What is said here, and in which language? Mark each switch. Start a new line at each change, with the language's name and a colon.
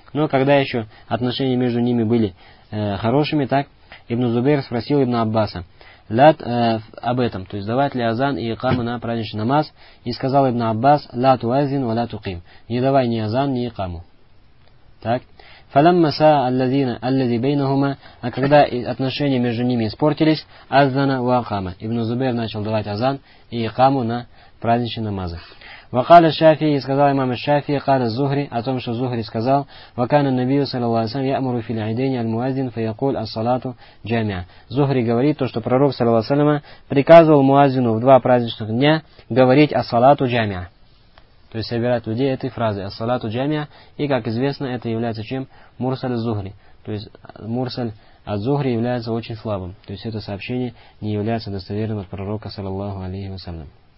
Russian: Но когда еще отношения между ними были хорошими, так Ибн Зубейр спросил Ибн Аббаса об этом, то есть давать ли азан и икаму на праздничный намаз, и сказал Ибн Аббас:
Arabic: «Ла туазин ва ла туким»,
Russian: не давай ни азан, ни икаму. Так.
Arabic: فَلَمَّ سَاءَ الَّذِي بَيْنَهُمَا,
Russian: а когда отношения между ними испортились,
Arabic: أَذَّنَ وَأَقَامَ,
Russian: Ибн Зубейр начал давать азан и икаму на праздничные намазы.
Arabic: وَقَالَ الشَّافِعِي,
Russian: и сказал имам
Arabic: الشَّافِعِي, قَالَ الزُّهْرِ,
Russian: о том, что Зухри сказал,
Arabic: وَكَانَ النَّبِيُّ صَلَى اللَّهِ وَسَلَّمَ يَأْمُرُ فِي الْعِيدَيْنِ الْمُؤَذِّنِ فَيَقُولَ الصَّلَاةُ جَامِعَ.
Russian: Зухри говорит то, что пророк,
Arabic: صلى الله عليه وسلم,
Russian: приказывал муаззину в два праздничных дня говорить «Ас-салату джамиа». То есть собирать людей этой фразой «Ас-салату джамиа». И, как известно, это является чем? Мурсаль Зухри. То есть мурсаль от Зухри является очень слабым. То есть это сообщение не является достоверным от пророка, саллаллаху алейхи ва саллям.